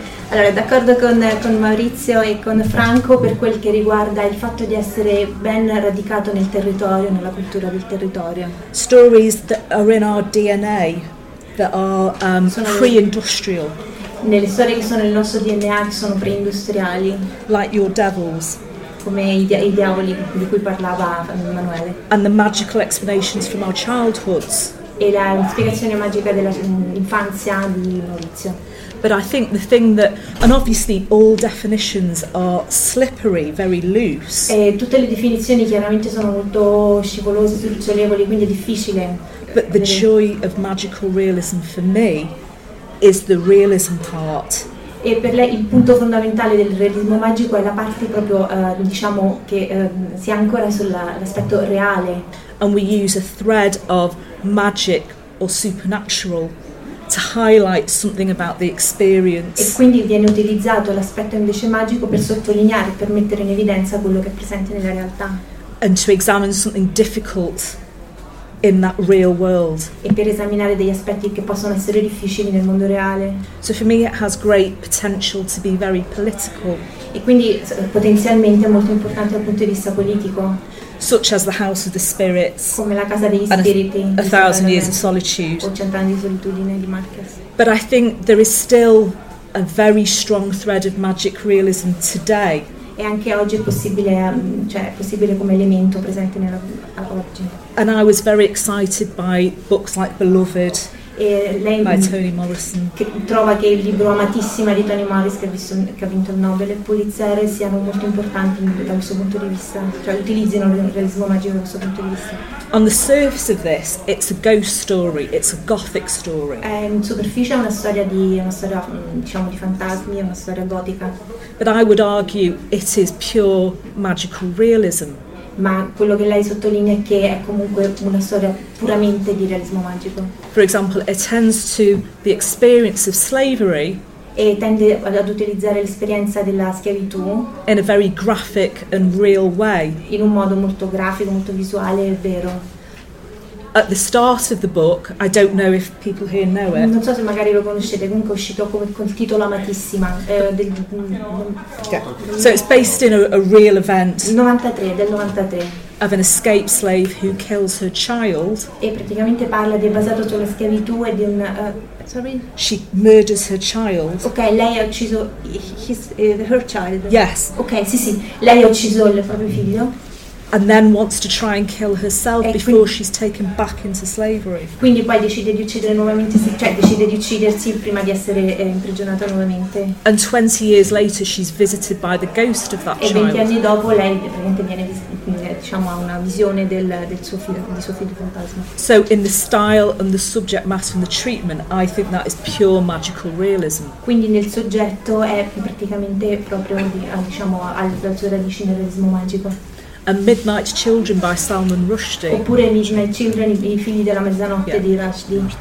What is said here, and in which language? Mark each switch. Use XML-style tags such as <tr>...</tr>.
<it>Allora, d'accordo con Maurizio e con Franco per quel che riguarda il fatto di essere ben radicato nel territorio, nella cultura del territorio.</it> <en>Stories that are in our DNA, that are pre-industrial.</en> <it>Nelle storie che sono nel nostro DNA, che sono pre-industriali.</it> <en>Like your devils.</en> <it>Come i diavoli di cui parlava Emanuele.</it> <en>And the magical explanations from our childhoods.</en> <it>E la spiegazione magica dell'infanzia di Maurizio.</it> <en>But I think the thing that, and obviously all definitions are slippery, very loose.</en> <it>E tutte le definizioni chiaramente sono molto scivolose, sdrucciolevoli, quindi è difficile.</it> <en>But the joy of magical realism for me is the realism part.</en> <it>E per lei il punto fondamentale del realismo magico è la parte proprio, diciamo, che si ancora sull'aspetto reale.</it> <en>And we use a thread of magic or supernatural to highlight something about the experience.</en> <it>E quindi viene utilizzato l'aspetto invece magico per sottolineare, per mettere in evidenza quello che è presente nella realtà.</it> <en>And to examine something difficult in that real world.</en> <it>E per esaminare degli aspetti che possono essere difficili nel mondo reale.</it> <en>So for me it has great potential to be very political.</en> <it>E quindi potenzialmente è molto importante dal punto di vista politico.</it> <en>Such as the House of the Spirits.</en> <it>Come la casa degli spiriti.</it> <en>A Thousand Years of Solitude.</en> <it>O Cent'anni di solitudine di Márquez.</it> <en>But I think there is still a very strong thread of magic realism today.</en> <it>E anche oggi è possibile, cioè è possibile come elemento presente nella oggi.</it> <en>And I was very excited by books like Beloved by Toni Morrison.</en> <it>Che trova che il libro Amatissima di Toni Morrison, che ha vinto il Nobel e Pulitzer, siano molto importanti dal suo punto di vista, cioè utilizzino il realismo magico dal suo punto di vista.</it> <en>On the surface of this, it's a ghost story, it's a gothic story.</en> <it>In superficie è una storia, diciamo, di fantasmi, è una storia gotica.</it> <en>But I would argue it is pure magical realism.</en> <it>Ma quello che lei sottolinea è che è comunque una storia puramente di realismo magico.</it> <en>For example, it tends to the experience of slavery.</en> <it>E tende ad utilizzare l'esperienza della schiavitù</it> <en>in a very graphic and real way.</en> <it>In un modo molto grafico, molto visuale e vero.</it> <en>At the start of the book, I don't know if people here know it.</en> <it>Non so se magari lo conoscete, comunque è uscito col titolo Amatissima.</it> <en>So it's based in a real event.</en> <it>Del 93.</it> <en>Of an escaped slave who kills her child.</en> <it>E praticamente parla di basato sulla schiavitù e di un...</it> <en>She murders her child.</en> <it>Okay, lei ha ucciso</it> <en>her child. Yes.</en> <it>Okay, sì. Lei ha ucciso il proprio figlio.</it> <en>And then wants to try and kill herself before she's taken back into slavery.</en> <it>Quindi poi decide di uccidere nuovamente, cioè decide di uccidersi prima di essere imprigionata nuovamente.</it> <en>And 20 years later, she's visited by the ghost of that child.</en> <it>E 20 anni dopo lei praticamente viene, diciamo, ha una visione del suo figlio fantasma.</it> <en>So in the style and the subject matter and the treatment, I think that is pure magical realism.</en> <it>Quindi nel soggetto è praticamente proprio, diciamo, alla sua radice nel realismo magico.</it> <en>A Midnight Children by Salman Rushdie.</en> <it>Oppure Midnight Children, I figli della mezzanotte, yeah, di Rushdie.</it>